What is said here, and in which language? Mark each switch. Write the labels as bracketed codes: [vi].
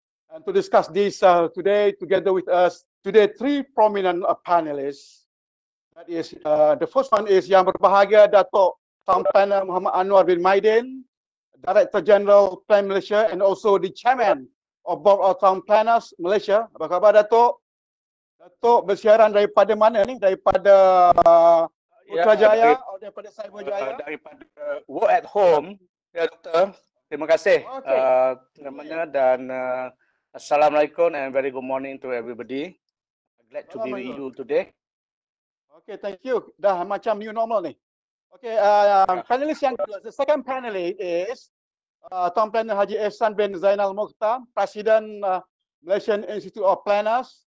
[en] And to discuss this today, together with us, today three prominent panelists. That is, the first one is Yang Berbahagia Dato Town Planner Muhammad Anuar bin Maidin, Director General Plan Malaysia and also the Chairman of Board of Town Planners Malaysia. [ms] Apa khabar Dato? Dato bersiaran daripada mana ni? Daripada Putrajaya ya, atau daripada Cyberjaya? Daripada [en] work at home. [ms] Ya Doktor, terima kasih. Okay. [en] Dan Assalamualaikum and very good morning to everybody. Glad to be with you today. Okay, thank you. [ms] Dah macam new normal ni. [en] Okay, [ms] panelist yang kedua, [en] the second panelist is Town Planner Haji Ihsan bin Zainal Mokhtar, President Malaysian Institute of Planners.